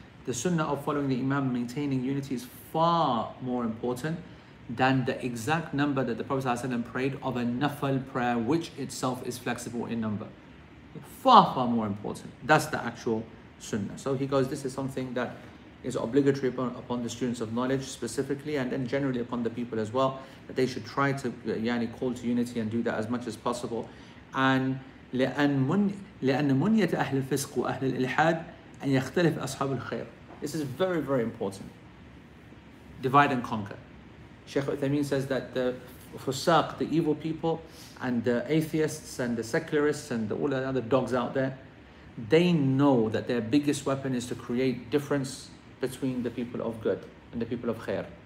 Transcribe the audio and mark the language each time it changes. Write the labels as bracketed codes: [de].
[en] The sunnah of following the Imam and maintaining unity is far more important than the exact number that the Prophet ﷺ prayed of a nafal prayer, which itself is flexible in number. far, far more important. That's the actual sunnah. So he goes, this is something that is obligatory upon the students of knowledge specifically, and then generally upon the people as well, that they should try to yani call to unity and do that as much as possible. [ar] And لأن منية أهل الفسق وأهل الإلحاد أن يختلف أصحاب الخير. [en] This is very, very important. Divide and conquer. Sheikh Uthaymeen says that the fusaq, the evil people, and the atheists and the secularists and all the other dogs out there, they know that their biggest weapon is to create difference between the people of good and the people of khair.